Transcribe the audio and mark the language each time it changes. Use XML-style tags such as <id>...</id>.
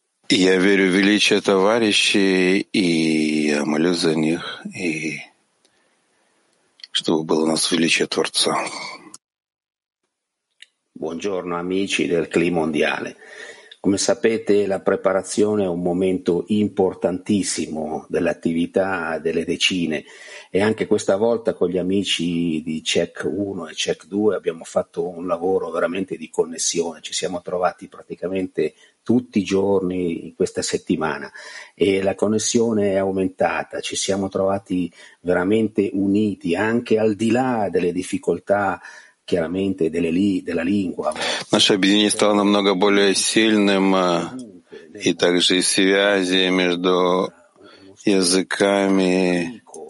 <ru>Я верю в величие товарищей, и я молюсь за них, и чтобы было у нас величие Творца.</ru> <it>Buongiorno amici del Clima Mondiale. Come sapete, la preparazione è un momento importantissimo dell'attività delle decine e anche questa volta con gli amici di CEC 1 e CEC 2 abbiamo fatto un lavoro veramente di connessione, ci siamo trovati praticamente tutti i giorni in questa settimana e la connessione è aumentata, ci siamo trovati veramente uniti anche al di là delle difficoltà chiaramente della lingua.</it> <ru>Наше объединение стало намного более сильным, и также и связи между языками.</ru>